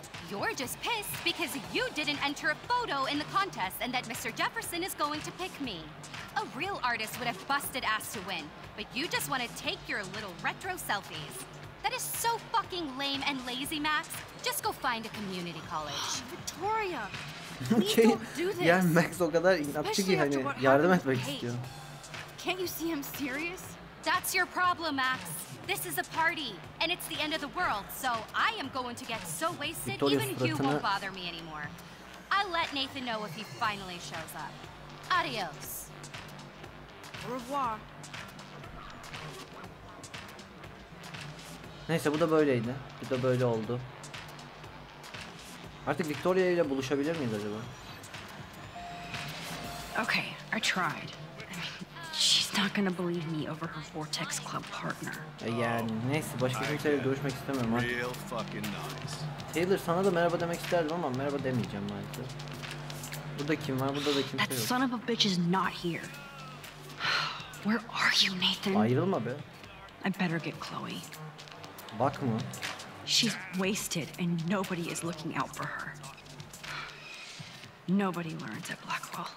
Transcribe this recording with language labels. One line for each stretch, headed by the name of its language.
English: You're just pissed because you didn't enter a photo in the contest and that Mr. Jefferson is going to pick me. A real artist would have busted ass to win, but you just want to take your little retro selfies. That is so fucking lame and lazy, Max. Just go find a community college. Victoria, okay. Don't do this.
Turkish: Yeah, Max o kadar inatçı ki hani yardım etmek istiyor.
English: Can't you see I'm serious? That's your problem, Max. This is a party, and it's the end of the world, so I am going to get so wasted, Victoria even
Turkish: suratını...
English: Hugh won't bother me anymore. I'll let Nathan know if he finally shows up.
Spanish: Adios.
French: Au revoir.
Turkish: Neyse, bu da böyleydi. Bu da böyle oldu. Artık Victoria ile buluşabilir miyiz acaba?
English: Okay, I tried. She's not gonna believe me over her Vortex Club partner.
Turkish: Yani neyse, başka kimseyle görüşmek istemiyorum artık.
English: Real fucking nice.
Turkish: Taylor, sana da merhaba demek isterdim ama merhaba demeyeceğim maalesef. Burada kim var? Burada da kimse yok.
English: That son of a bitch is not here. Where are you, Nathan?
Turkish: Ayrılma be.
English: I better get Chloe.
Turkish: Bak mı?
English: She's wasted and nobody is looking out for her. Nobody learns at Blackwell.